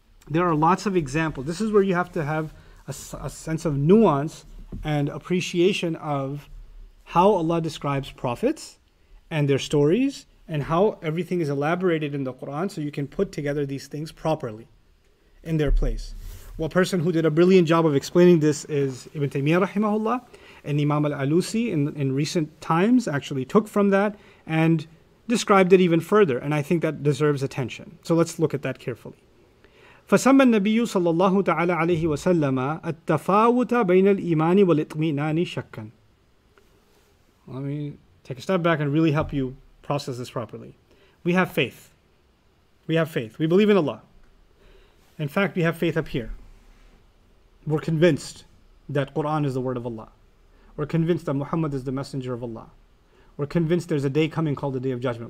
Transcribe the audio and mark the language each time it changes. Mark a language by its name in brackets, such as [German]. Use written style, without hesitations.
[English] There are lots of examples. This is where you have to have a sense of nuance and appreciation of how Allah describes prophets and their stories and how everything is elaborated in the Quran so you can put together these things properly in their place. One person who did a brilliant job of explaining this is Ibn Taymiyyah rahimahullah, and Imam al-Alusi in recent times actually took from that and described it even further, and I think that deserves attention. So let's look at that carefully. [Arabic] فسمى النبي صلى الله تعالى عليه وسلم التفاوت بين الإيمان والإطمئنان شكا. [English] Let me take a step back and really help you process this properly. We have faith. We have faith. We believe in Allah. In fact, we have faith up here. We're convinced that Quran is the word of Allah. We're convinced that Muhammad is the messenger of Allah. We're convinced there's a day coming called the Day of Judgment.